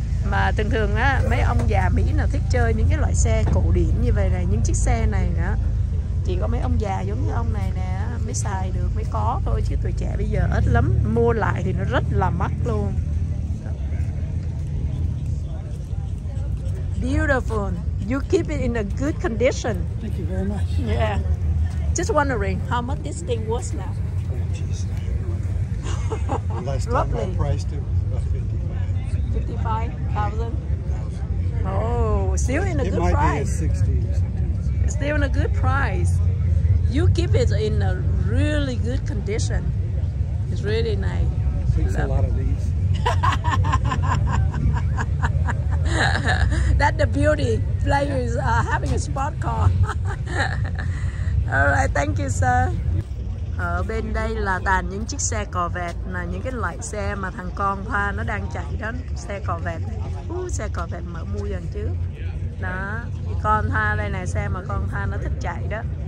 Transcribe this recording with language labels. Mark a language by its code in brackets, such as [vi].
[vi] Mà thường thường á, mấy ông già Mỹ nào thích chơi những cái loại xe cổ điển như vậy này. Những chiếc xe này nữa, chỉ có mấy ông già giống như ông này nè mới xài được, mới có thôi. Chứ tuổi trẻ bây giờ ít lắm. Mua lại thì nó rất là mắc luôn. [en] Beautiful. You keep it in a good condition. Thank you very much. Yeah. Just wondering how much this thing was now. Lovely. Last time I priced it was about 55,000. Still in a good price. It might be a 60. Still in a good price. You keep it in a really good condition. It's really nice. It takes a lot of these. That's the beauty. Players are having a sport car. Alright, thank you, sir. [vi] Ở bên đây là toàn những chiếc xe cò vẹt, là những cái loại xe mà thằng con Hoa nó đang chạy đó, xe cò vẹt. Xe cò vẹt mở mua dần chứ. Đó, con Hoa đây này, xe mà con Hoa nó thích chạy đó.